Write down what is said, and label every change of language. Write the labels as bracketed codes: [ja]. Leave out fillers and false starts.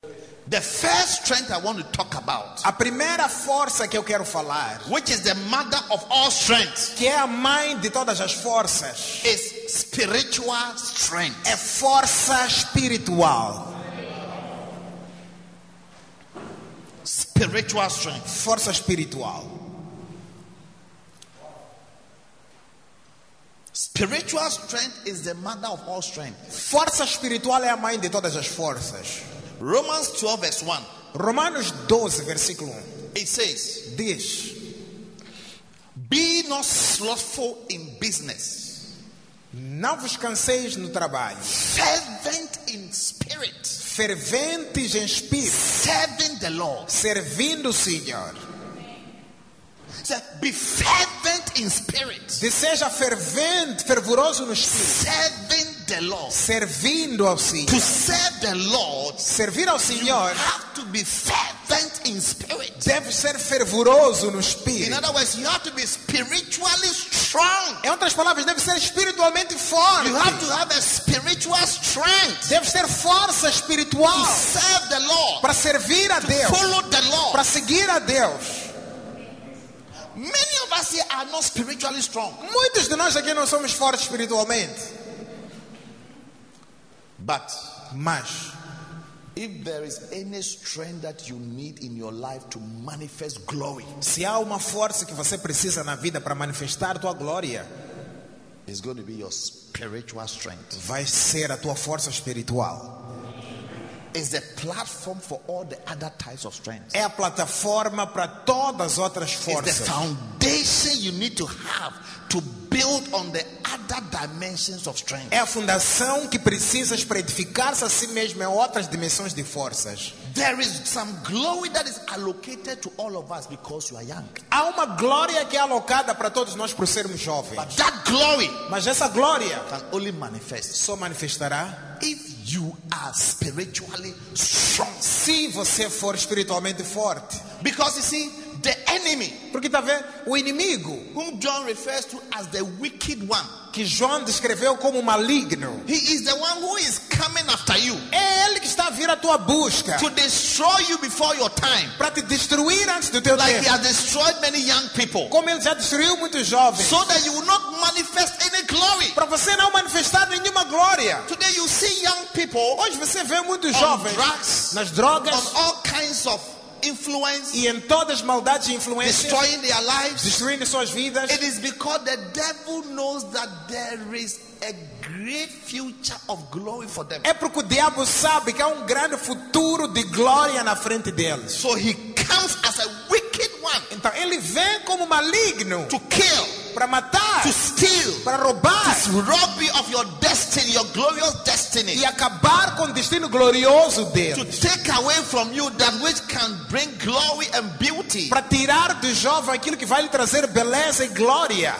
[en] The first strength I want to talk about, [pt] a primeira força que eu quero falar, [en] which is the mother of all strength, [pt] que é a mãe de todas as forças, [en] is spiritual strength. [pt] É força espiritual. [en] Spiritual strength. [pt] Força espiritual. [en] Spiritual strength is the mother of all strength. [pt] Força espiritual é a mãe de todas as forças. [en] Romans 12 verse 1. [pt] Romanos 12 versículo 1. [en] It says, [pt] diz, [en] be not slothful in business. [pt] Não vos canseis no trabalho. [en] Fervent in spirit. [pt] Ferventes em espírito. [en] Serving the Lord. [pt] Servindo o Senhor. [en] Be fervent in spirit. [pt] De seja fervente, fervoroso no espírito. [en] Serving the Lord. [pt] Servindo ao Senhor. [en] To serve the Lord. [pt] Servir ao Senhor. [en] You have to be fervent in spirit. [pt] Deve ser fervoroso no espírito. [en] In other words, you have to be spiritually strong. [pt] Em outras palavras, deve ser espiritualmente forte. [en] You have to have a spiritual strength. [pt] Deve ser força espiritual. [en] To serve the Lord. [pt] Para servir a [en] to [pt] Deus. [en] To follow the Lord. [pt] Para seguir a Deus. [en] Many of us here are not spiritually strong. [pt] Muitos de nós aqui não somos fortes espiritualmente. [en] But, [pt] mas, [en] if there is any strength that you need in your life to manifest glory, [pt] se há uma força que você precisa na vida para manifestar tua glória, [en] it's going to be your spiritual strength. [pt] Vai ser a tua força espiritual. [en] Is the platform for all the other types of strength. [pt] É a plataforma para todas as outras forças. [en] It's the foundation you need to have to build on the other dimensions of strength. [pt] É a fundação que precisas para edificar-se a si mesmo em outras dimensões de forças. [en] There is some glory that is allocated to all of us because you are young. [pt] Há uma glória que é alocada para todos nós por sermos jovens. [en] But that glory, [pt] mas essa glória, [en] can only manifest. [pt] Só manifestará [en] if you are spiritually strong. [pt] Se você for espiritualmente forte. [en] Because you see, the enemy, [pt] porque tá vendo? O inimigo, [en] whom John refers to as the wicked one, [pt] que João descreveu como maligno. [en] He is the one who is coming after you. [pt] É ele que está a vir à tua busca. [en] To destroy you before your time. [pt] Para te destruir antes do teu [en] like [pt] tempo. [en] Like he has destroyed many young people. [pt] Como ele já destruiu muitos jovens. [en] So that you will not manifest any glory. [pt] Para você não manifestar nenhuma glória. [en] Today you see young people. [pt] Hoje você vê muitos [en] on [pt] jovens. [en] Drugs, [pt] nas drogas. [en] On all kinds of influence, [pt] e em todas maldades e influências, [en] destroying their lives, [pt] destruindo suas vidas. [en] It is because the devil knows that there is a great future of glory for them. [pt] É porque o diabo sabe que há grande futuro de glória na frente deles. [en] So he comes as a wicked one. [pt] Então ele vem como maligno. [en] To kill, [pt] para matar. [en] To steal, [pt] para roubar. [en] To rob you of your destiny, your glorious destiny. [pt] E acabar com o destino glorioso deles. [en] To take away from you that which can bring glory and beauty. [pt] Para tirar do jovem aquilo que vai lhe trazer beleza e glória.